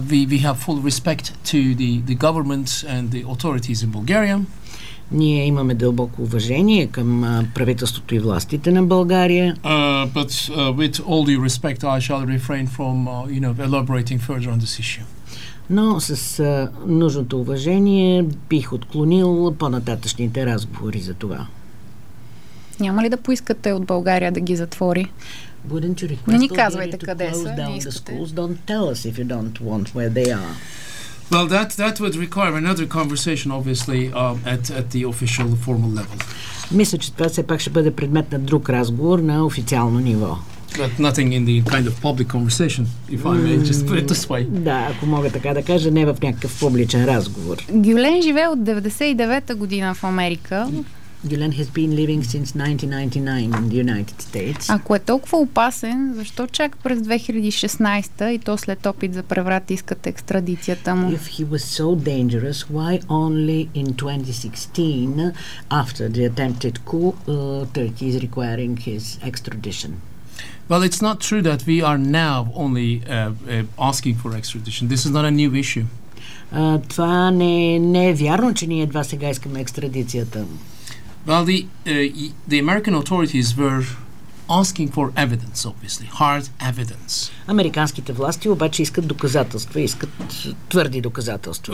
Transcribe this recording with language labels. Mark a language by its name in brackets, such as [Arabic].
[English] We have full respect to the government and the authorities in Bulgaria. [Bulgarian] Ние имаме дълбоко уважение към правителството и властите на България. [English] With all due respect, I shall refrain from, you know, elaborating further on this issue. [Bulgarian] Но с нужното уважение бих отклонил по-нататъчните разговори за това. Няма ли да поискате от България да ги затвори? [English] Wouldn't you request? [Bulgarian] Не ни казвайте къде са, не искате. [English] Don't tell us if you don't want where they are. Well, that would require another conversation, obviously, at the official formal level. [Bulgarian] Мисля, че това все пак ще бъде предмет на друг разговор на официално ниво. [English] But nothing in the kind of public conversation, if I may just put it this way. [Bulgarian] Да, ако мога така да кажа, не в някакъв публичен разговор. Гюлен живее от 99-та година в Америка. [English] Dylan has been living since 1999 in the United States. [Bulgarian] Ако е толкова опасен, защо чак през 2016-та и то след опит за преврат искат екстрадицията му? [English] If he was so dangerous, why only in 2016, after the attempted coup, Turkey is requiring his extradition? Well, it's not true that we are now only asking for extradition. This is not a new issue. [Bulgarian] Това не е вярно, че ние едва сега искаме екстрадицията. [English] Well, the American authorities were asking for evidence, obviously, hard evidence. [Bulgarian] Американските власти обаче искат доказателства, искат твърди доказателства.